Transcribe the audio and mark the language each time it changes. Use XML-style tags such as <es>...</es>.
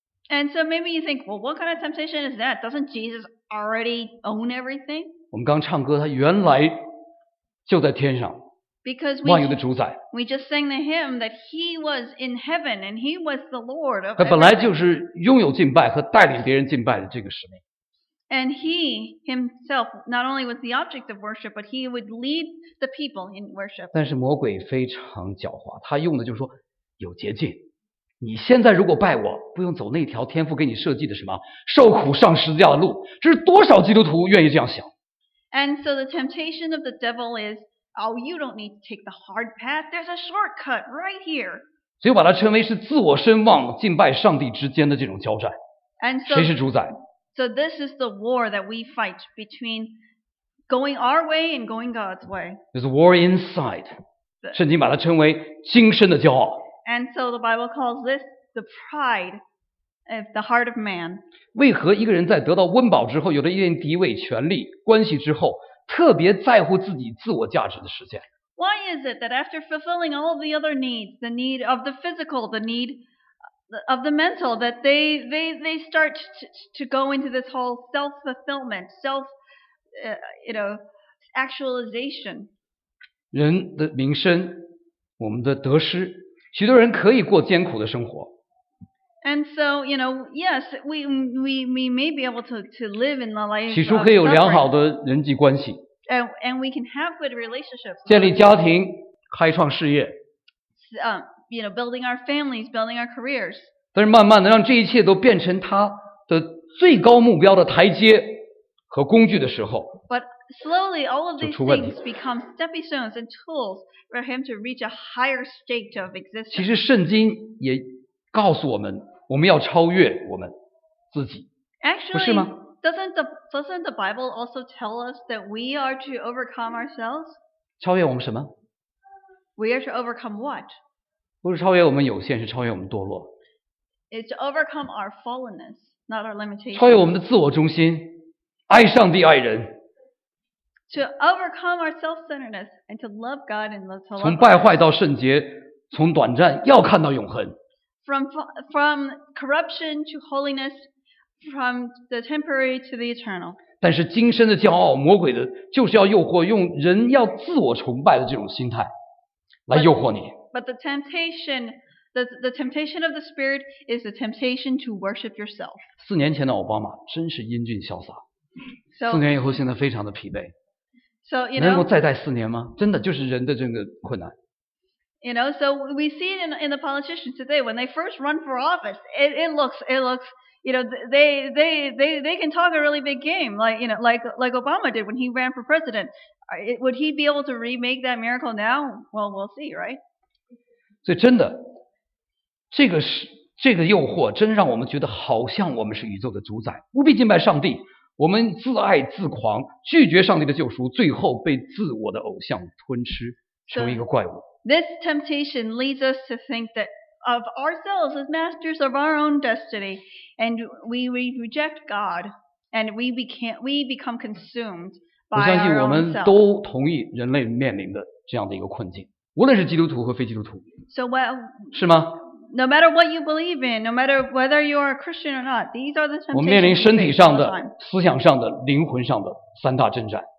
<en>And so maybe you think, well, what kind of temptation is that? Doesn't Jesus already own everything?</en> <zh>我们刚唱歌，他原来就在天上。</zh> <en>Because we just sang the hymn that he was in heaven and he was the Lord of everything.</en> <zh>他本来就是拥有敬拜和带领别人敬拜的这个使命。</zh> <en>And he himself not only was the object of worship, but he would lead the people in worship.</en> <zh>但是魔鬼非常狡猾，他用的就是说有捷径。你现在如果拜我，不用走那条天父给你设计的什么受苦上十字架的路，这是多少基督徒愿意这样想。</zh> <en>And so the temptation of the devil is,Oh, you don't need to take the hard path. There's a shortcut right here.</en> <zh>所以把它称为是自我声望、敬拜上帝之间的这种交战。</zh> <en>And so,</en> <zh>谁是主宰？</zh> <en>So this is the war that we fight between going our way and going God's way. There's a war inside.</en> <zh>圣经把它称为今生的骄傲。</zh> <en>And so the Bible calls this the pride of the heart of man.</en> <zh>为何一个人在得到温饱之后，有了一定地位、权力、关系之后？特别在乎自己自我价值的实现。</zh> <en>Why is it that after fulfilling all the other needs, the need of the physical, the need of the mental, that they start to go into this whole self-fulfillment, self-actualization?</en> <zh>人的名声，我们的得失，许多人可以过艰苦的生活。</zh> <en>And so, you know, yes, we may be able to live in the life.</en> <zh>起初可以有良好的人际关系。</zh> <en>And we can have good relationships.</en> <zh>建立家庭，开创事业。</zh> <en>Building our families, building our careers.</en> <zh>但是慢慢的让这一切都变成他的最高目标的台阶和工具的时候。</zh> <en>But slowly, all of these things become stepping stones and tools for him to reach a higher state of existence.</en> <zh>其实圣经也。告诉我们，我们要超越我们自己，</zh> <en>Actually,</en> <zh>不是吗？</zh> <en>Doesn't the Bible also tell us that we are to overcome ourselves?</en> <zh>超越我们什么？</zh> <en>We are to overcome what?</en> <zh>不是超越我们有限，是超越我们堕落。</zh> <en>It's to overcome our fallenness, not our limitations.</en> <zh>超越我们的自我中心，爱上帝，爱人。</zh> <en>To overcome our self-centeredness and to love God and to love others.</en> <zh>从败坏到圣洁，从短暂要看到永恒。</zh> <en>From corruption to holiness, from the temporary to the eternal.</en> <zh>但是今生的骄傲，魔鬼的就是要诱惑，用人要自我崇拜的这种心态来诱惑你。</zh> <en>But the temptation, the temptation of the spirit is the temptation to worship yourself.</en> <zh>四年前的奥巴马真是英俊潇洒，四年以后现在非常的疲惫。</zh> <en>So, you know,</en> <zh>能够再待四年吗？真的就是人的这个困难。</zh> <en>You know, so we see it in the politicians today when they first run for office. It looks, you know, they can talk a really big game, like, you know, like Obama did when he ran for president. Would he be able to remake that miracle now? Well, we'll see, right?</en> <zh>所以真的，这个诱惑真让我们觉得好像我们是宇宙的主宰，不必敬拜上帝，我们自爱自狂，拒绝上帝的救赎，最后被自我的偶像吞吃，成为一个怪物。</zh> <en>This temptation leads us to think that of ourselves as masters of our own destiny, and we reject God, and we become consumed by our own self.</en> <zh>我相信我们都同意人类面临的这样的一个困境，无论是基督徒和非基督徒。</zh> <en>So well,</en> <zh>是吗？</zh> <en>No matter what you believe in, no matter whether you are a Christian or not, these are the temptations.</en> <zh>我们面临身体上的、思想上的、灵魂上的三大征战。</zh>